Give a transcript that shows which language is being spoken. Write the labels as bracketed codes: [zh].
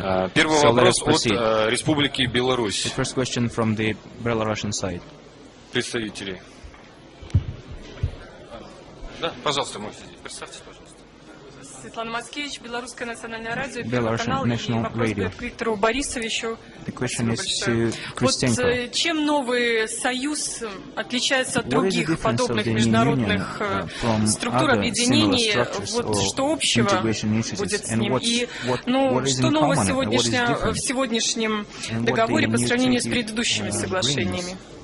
[ru] Первый вопрос от Республики Беларусь. [en] Belarusian side. [ru] Представители. Да, пожалуйста, можете сидеть. Представьтесь, пожалуйста. Светлана Мацкевич, Белорусское национальное радио, Белорусский канал, и вопрос будет к Виктору Борисовичу. [en] The question is to Christenko. [ru] Вот чем новый союз отличается от других подобных международных структур, объединений, вот что общего будет с ним? Что нового в сегодняшнем договоре по сравнению с предыдущими соглашениями?